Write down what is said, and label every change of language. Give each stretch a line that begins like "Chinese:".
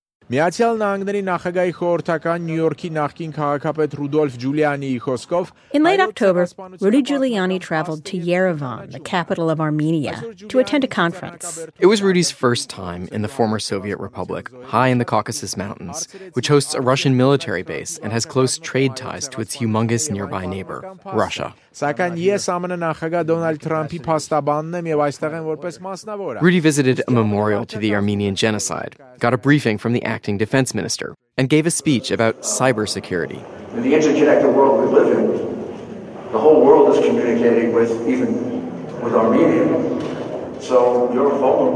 Armenian: Միացյալ Նահանգների նախագահի խորհրդական Նյու Յորքի նախկին քաղաքապետ Ռուդոլֆ Ջուլիանիի խոսքով
English: In late October, Rudy Giuliani traveled to Yerevan, the capital of Armenia, to attend a conference. It was Rudy's first time in the former Soviet Republic, high in the Caucasus Mountains, which hosts a Russian military base and has close trade ties to its humongous nearby neighbor, Russia.
Armenian: Սակայն ես ԱՄՆ նախագահ Դոնալդ Թրամփի փաստաբանն եմ եւ այստեղ եմ որպես մասնավոր։
English: Rudy visited a memorial to the Armenian genocide, got a briefing from the acting defense minister, and gave a speech about cybersecurity. In the interconnected world we live in, the whole world is communicating with Armenia. So you're vulnerable.